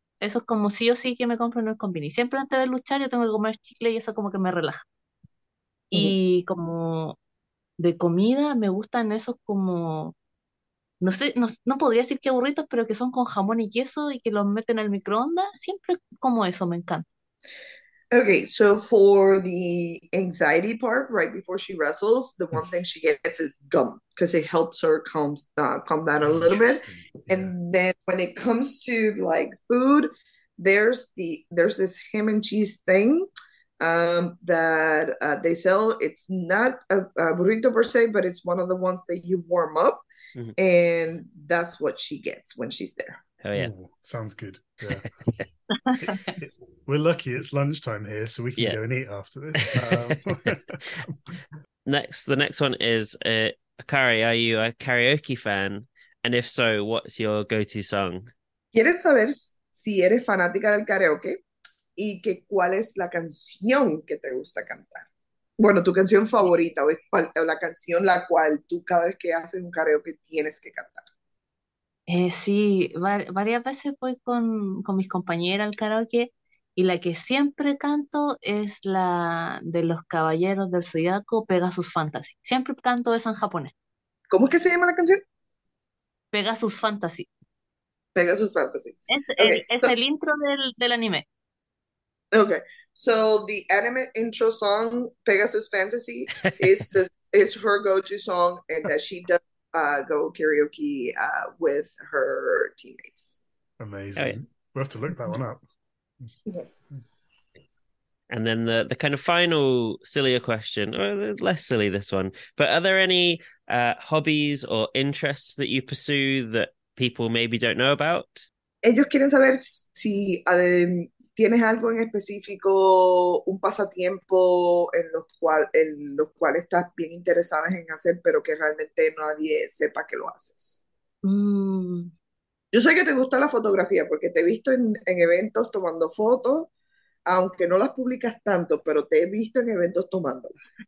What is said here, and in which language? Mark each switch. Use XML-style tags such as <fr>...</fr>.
<es>Eso es como sí o sí que me compro en el Convivi. Siempre antes de luchar yo tengo que comer chicle, y eso como que me relaja. Y como de comida, me gustan esos como, no sé, no podría decir que burritos, pero que son con jamón y queso y que los meten al microondas. Siempre como eso, me encanta.</es> <en>Okay, so for the anxiety part, right before she wrestles, the one thing she gets is gum, because it helps her calm down a little bit. And then when it comes to like food, there's this ham and cheese thing that they sell. It's not a burrito per se, but it's one of the ones that you warm up, and that's what she gets when she's there. Oh yeah. Ooh, sounds good. Yeah. We're lucky it's lunchtime here, so we can go and eat after this. the next one is Akari, are you a karaoke fan, and if so, what's your go-to song?</en> <es>¿Quieres saber si eres fanática del karaoke? Y que cuál es la canción que te gusta cantar. Bueno, tu canción favorita, o la canción la cual tú cada vez que haces un karaoke tienes que cantar. Sí, varias veces voy con mis compañeras al karaoke, y la que siempre canto es la de los Caballeros del Zodiaco, Pegasus Fantasy. Siempre canto esa en japonés. ¿Cómo es que se llama la canción? Pegasus Fantasy. Pegasus Fantasy. Es el intro del anime.</es> <en>Okay, so the anime intro song, Pegasus Fantasy, is her go-to song, and that she does go karaoke with her teammates. Amazing. Oh, yeah. We'll have to look that one up. And then the kind of final sillier question, or less silly this one, but are there any hobbies or interests that you pursue that people maybe don't know about?</en> <es>Ellos quieren saber si ¿tienes algo en específico, un pasatiempo en los cuales estás bien interesada en hacer, pero que realmente nadie sepa que lo haces? Yo sé que te gusta la fotografía, porque te he visto en eventos tomando fotos, aunque no las publicas tanto, pero te he visto en eventos tomándolas.</es>